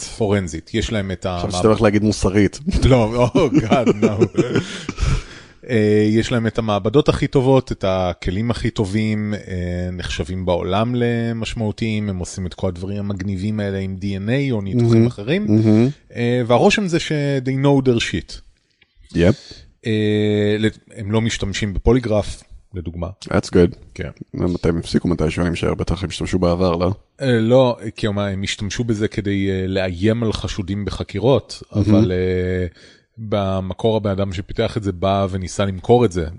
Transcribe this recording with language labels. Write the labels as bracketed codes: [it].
[he] פורנזית. יש להם את המעבדות. עכשיו שאתה הולך להגיד מוסרית. [en] לא, oh God, no. [he] יש להם את המעבדות הכי טובות, את הכלים הכי טובים, נחשבים בעולם למשמעותיים, הם עושים את כל הדברים המגניבים האלה עם DNA או ניתוחים mm-hmm. אחרים, mm-hmm. והרושם זה [en] ש-they know their shit. [he] יפ. הם לא משתמשים בפוליגרף, לדוגמה. [en] That's good. [he] כן. מתי הם הפסיקו, מתי שואלים שהר בטח הם השתמשו בעבר, לא? לא, כי אומר, הם השתמשו בזה כדי לאיים על חשודים בחקירות, mm-hmm. אבל במקור הבן אדם שפיתח את זה בא וניסה למכור את זה,